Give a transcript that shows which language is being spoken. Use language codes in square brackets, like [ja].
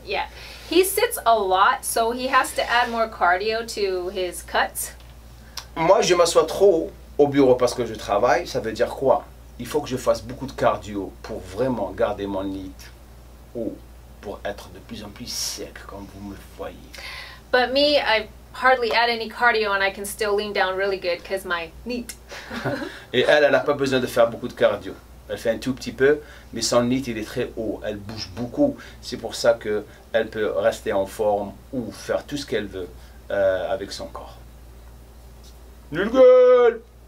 [en] Yeah, he sits a lot, so he has to add more cardio to his cuts. [fr] Moi, je m'assois trop au bureau parce que je travaille. Ça veut dire quoi? Il faut que je fasse beaucoup de cardio pour vraiment garder mon need ou pour être de plus en plus sec, comme vous me voyez. [en] But me, I hardly add any cardio and I can still lean down really good because my NEAT. [fr] Et elle, elle n'a pas besoin de faire beaucoup de cardio. Elle fait un tout petit peu, mais son NEAT, il est très haut. Elle bouge beaucoup. C'est pour ça qu'elle peut rester en forme ou faire tout ce qu'elle veut avec son corps. Nulle gueule!